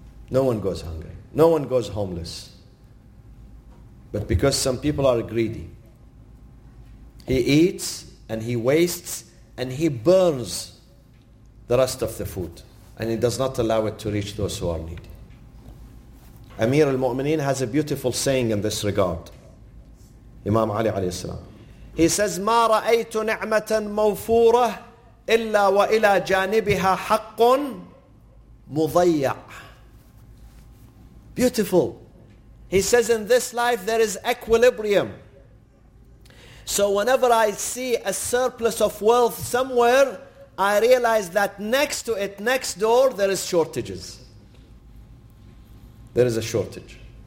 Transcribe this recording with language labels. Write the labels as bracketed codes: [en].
[en] No one goes homeless. But because some people are greedy, he eats and he wastes and he burns the rest of the food, and he does not allow it to reach those who are needy. Amir al-Mu'mineen has a beautiful saying in this regard. Imam Ali alayhi salam. He says, [ar] مَا رَأَيْتُ نِعْمَةً مَوْفُورَةً إِلَّا وَإِلَى جَانِبِهَا حَقٌّ مُضَيَّعٌ. [en] Beautiful. He says, in this life there is equilibrium. So whenever I see a surplus of wealth somewhere, I realize that next to it, next door, there is shortages. There is a shortage.